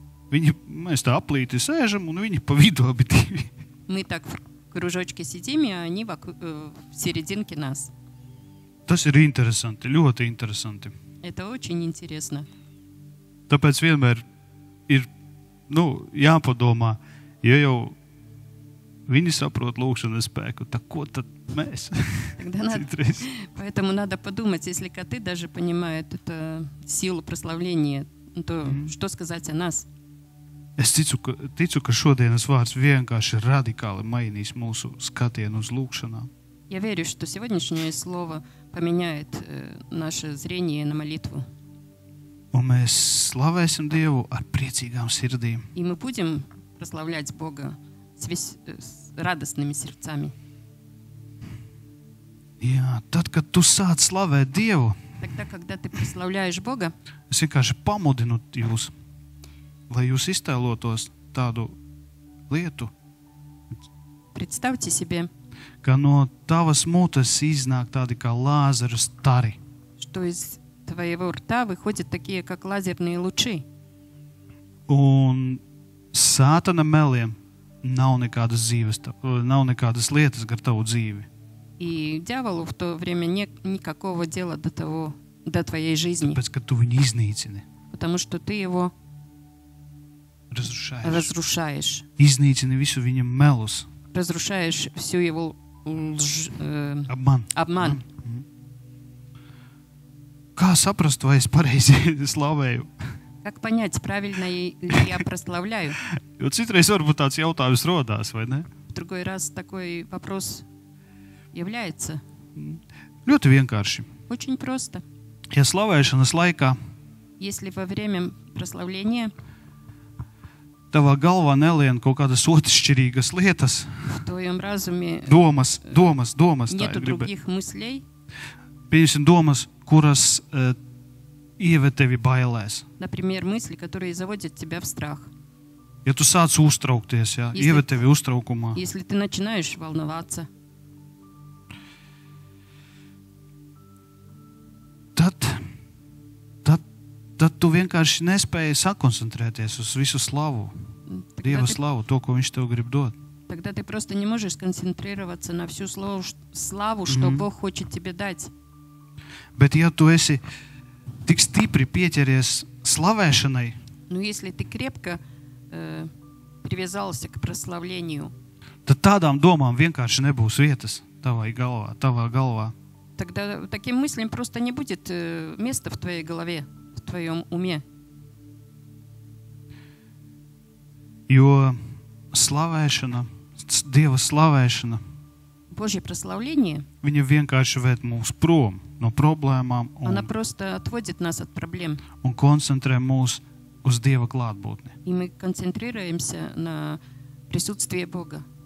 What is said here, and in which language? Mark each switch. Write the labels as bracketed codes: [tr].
[lv] Viņi, mēs tā aplīti sēžam, un viņi pa vidu abi divi. [ru] Мы так в кружочке сидим, и они в серединке нас. [lv] Tas ir interesanti, ļoti interesanti. [ru] Это очень интересно. [lv] Tāpēc vienmēr ir, nu, jāpadomā, ja jau... Viņi saprot lūkšanas spēku. Tā ko tad mēs? Citreiz. [ru] Поэтому надо подумать, если коты даже понимают эту силу прославления, то что сказать о нас? [lv] Es ticu, ka šodienas vārds vienkārši radikāli mainīs mūsu skatienu uz lūkšanām. [ru] Я верю, что сегодняшнее слово поменяет наше зрение на молитву. [lv] Un mēs slavēsim Dievu ar priecīgām sirdīm. [ru] И мы будем прославлять Бога с радостными сердцами. [lv] Jā, tad, kad tu sāc slavēt Dievu, [ru] тогда, когда ты прославляешь Бога, [lv] es vienkārši pamudinu jūs, lai jūs iztēlotos tādu lietu. [ru] Представьте себе, [lv] ka no tavas mutes iznāk tādi kā lāzeru stari. [ru] Что из твоего рта выходят такие, как лазерные лучи. [lv] Un Sātana meliem nav nekādas dzīves, nav nekādas lietas gar tavu dzīvi. [ru] И дьяволу в то время никакого дела до того, до твоей жизни. [lv] Tāpēc, ka tu viņu iznīcini. [ru] Потому что ты его разрушаешь. [lv] Iznīcini visu viņa melus. [ru] Разрушаешь всю его обман. Обман. [lv] Kā saprast, vai es pareizi slavēju? [ru] Как понять, правильно ли я прославляю? [lv] Jo citreiz varbūt tāds jautājums rodās, vai ne? [ru] В другой раз такой вопрос является. [lv] Ļoti vienkārši. [ru] Очень просто. [lv] Ja slavēšanas laikā, [ru] если во время прославления, [lv] tavā galvā nelien kaut kādas otišķirīgas lietas, [ru] в твоем разуме, [lv] domas, [ru] нету других мыслей, [lv] pieņemsim domas, kuras ievēt tevi bailēs. [ru] Например, мысли, которые заводят тебя в страх. [lv] Ja tu sāc uztraukties, ja, ievēt tevi uztraukumā. [ru] Если ты начинаешь волноваться. [lv] Tad tu vienkārši nespēji sakoncentrēties uz visu slavu. Dieva slavu, to, ko viņš tev grib dot. [ru] Тогда ты просто не можешь сконцентрироваться на всю славу, что Бог хочет тебе дать. [lv] Bet ja tu esi tik stipri pieķeries slavēšanai. [ru] Ну если ты крепко привязался к прославлению. [lv] tad tādām domām vienkārši nebūs vietas tavā galvā. [ru] Тогда таким мыслям просто не будет места в твоей голове, в твоем уме. [lv] Jo slavēšana, Dieva slavēšana, [ru] Божье прославление, [lv] viņa vienkārši ved mūs prom no problēmām [ru] un, она просто отводит нас от проблем. [lv] Un koncentrē mūs uz Dieva klātbūtni. [ru] И мы концентрируемся на присутствии Бога.